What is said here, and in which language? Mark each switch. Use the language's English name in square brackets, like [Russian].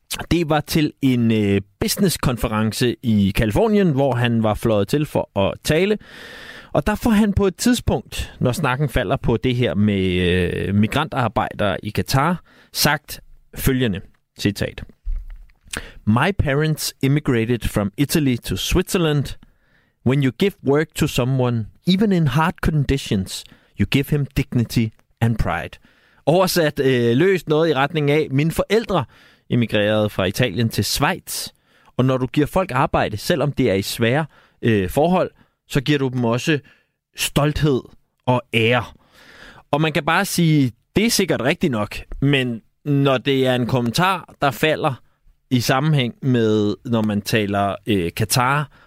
[Danish] Det var til en businesskonference i Californien, hvor han var fløjet til for at tale. Og der får han på et tidspunkt, når snakken falder på det her med migrantarbejdere i Katar, sagt følgende citat. [English] My parents immigrated from Italy to Switzerland. When you give work to someone, even in hard conditions, you give him dignity and pride. [Danish] Oversat løst noget i retning af mine forældre, immigreret fra Italien til Schweiz. Og når du giver folk arbejde, selvom det er i svære forhold, så giver du dem også stolthed og ære. Og man kan bare sige, det er sikkert rigtigt nok, men når det er en kommentar, der falder i sammenhæng med, når man taler Katar